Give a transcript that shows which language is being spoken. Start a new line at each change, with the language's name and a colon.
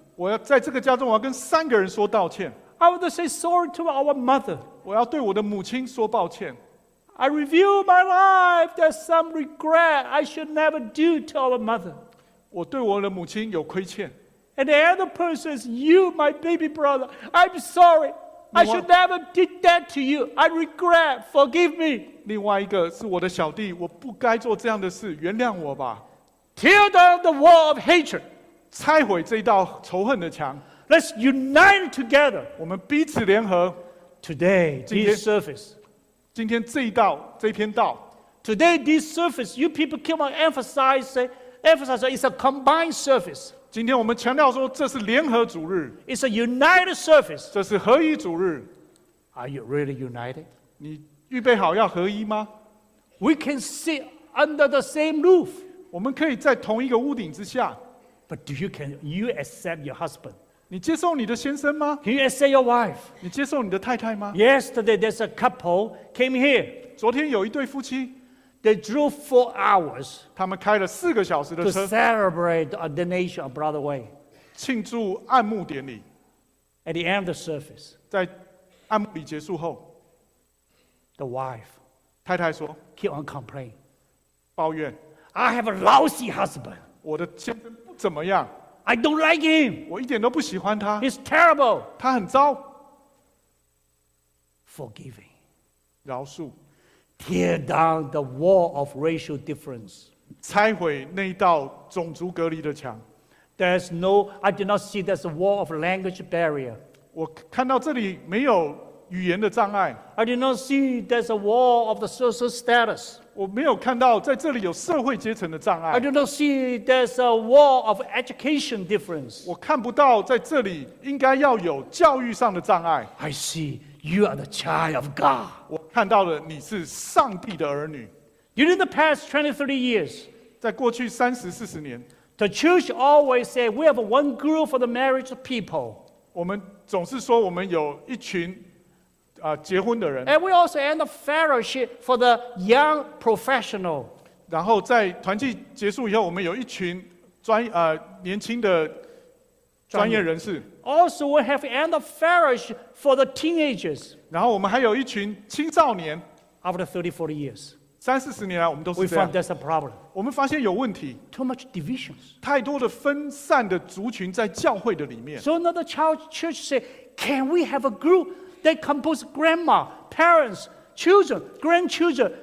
Chinese: 我要在这个家中，我要跟三个人说道歉。
English: I want to say sorry to our mother.
Chinese: 我要对我的母亲说抱歉。
English: I review my life. There's some regret I should never do to our mother.
Chinese: 我对我的母亲有亏欠。
English: And the other person is you, my baby brother. I'm sorry. I should never did that to you. I regret. Forgive me.
Chinese: 另外一个是我的小弟，我不该做这样的事，原谅我吧。
English: Tear down the wall of hatred，
Chinese: 拆毁这道仇恨的墙。
English: Let's unite together，
Chinese: 我们彼此联合。
English: Today this service，
Chinese: 今天这一道这篇道。
English: Today this service， you people keep on emphasize it's a combined service。
Chinese: 今天我们强调说这是联合主日。
English: It's a united service，
Chinese: 这是合一主日。
English: Are you really united？
Chinese: 你。预备好要合一吗
English: ？We can sit under the same roof。
Chinese: 我们可以在同一个屋顶之下。
English: But do you can you accept your husband？
Chinese: 你接受你的先生吗
English: ？Can you accept your wife？
Chinese: 你接受你的太太吗
English: ？Yesterday there's a couple came here。
Chinese: 昨天有一对夫妻。
English: They drove 4 hours。
Chinese: 他们开了四个小时的车。
English: To celebrate the ordination of Brother Wei。
Chinese: 庆祝按牧典礼。
English: At the end of the service。
Chinese: 在按牧礼结束后。
English: The wife，
Chinese: 太太说
English: ，keep on complain，
Chinese: 抱怨
English: ，I have a lousy husband，
Chinese: 我的先生不怎么样
English: ，I don't like him，
Chinese: 我一点都不喜欢他
English: ，he's terrible，
Chinese: 他很糟
English: ，forgiving，
Chinese: 饶恕
English: ，tear down the wall of racial difference，
Chinese: 拆毁那一道种族隔离的墙
English: ，there's no， I do not see there's a wall of language barrier，
Chinese: 我看到这里没有语言的障碍。
English: I did not see there's a wall of the social status.
Chinese: 我没有看到在这里有社会阶层的障碍。
English: I did not see there's a wall of education difference.
Chinese: 我看不到在这里应该要有教育上的障碍。
English: I see you are the child of God.
Chinese: 我看到了你是上帝的儿女。
English: During the past 23 years,
Chinese: 在过去三十四十年
English: the church always said we have one group for the marriage of people.
Chinese: 我们总是说我们有一群结婚的人。
English: And we also end a fellowship for the young professional.
Chinese: 然后在团契结束以后，我们有一群年轻的专业人士。
English: Also, we have end a fellowship for the teenagers.
Chinese: 然后我们还有一群青少年。
English: After 30-40 years.
Chinese: 三四十年来，我们都是这样。
English: We found that's a problem.
Chinese: 我们发现有问题。
English: Too much divisions.
Chinese: 太多的分散的族群在教会的里面。
English: So another church said, "Can we have a group that composes grandma, parents, children, grandchildren?